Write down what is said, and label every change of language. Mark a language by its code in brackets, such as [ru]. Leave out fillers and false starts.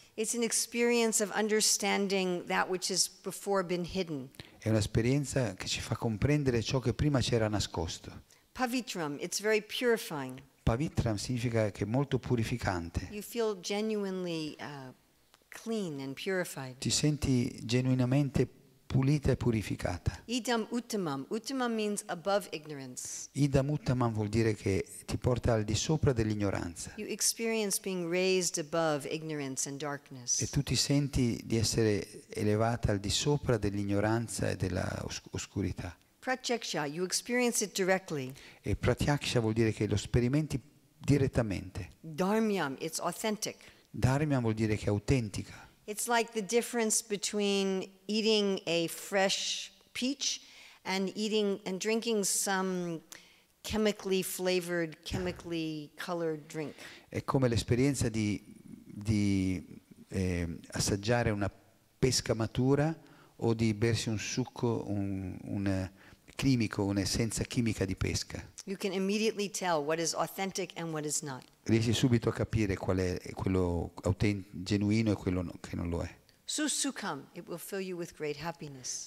[en] It's an experience of understanding that which has before been hidden. [it] È un'esperienza che ci fa comprendere ciò che prima c'era nascosto. [en] Pavitram, it's very purifying. [it] Pavitram significa che è molto purificante. [en] You feel genuinely clean and purified. [it] Ti senti genuinamente pulita e purificata. [en] Idam uttamam. Uttamam means above ignorance. [it] Idam uttamam vuol dire che ti porta al di sopra dell'ignoranza. [en] You experience being raised above ignorance and darkness. [it] E tu ti senti di essere elevata al di sopra dell'ignoranza e della oscurità. [en] Pratyaksha, you experience it directly. [it] E pratyaksha vuol dire che lo sperimenti direttamente. [en] Dharmyam, it's authentic. [it] Dharmyam vuol dire che è autentica. [en] It's like the difference between eating a fresh peach and eating and drinking some chemically flavored, chemically colored drink. [it] È come l'esperienza di assaggiare una pesca matura o di bersi un succo, un chimico, un'essenza chimica di pesca. [en] You can immediately tell what is authentic and what is not. [it] Riesci subito a capire qual è quello genuino e quello che non lo è. [en] Susukam, it will fill you with great happiness.